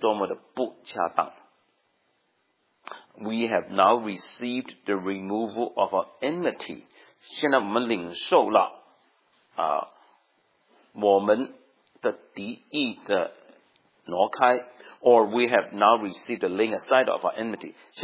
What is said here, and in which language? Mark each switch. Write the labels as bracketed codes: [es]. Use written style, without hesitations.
[zh] 假如我们用这个概念，就是说，我们在神面前向他的敌意现在拿走了。假如用这个的概念来意义重新再翻译这节经文的话，我们就注意到这种的翻译是多么的不恰当。 [en] We have now received the removal of our enmity. [zh] 现在我们领受了我们的敌意的挪开, [en] or we have now received the laying aside of our enmity.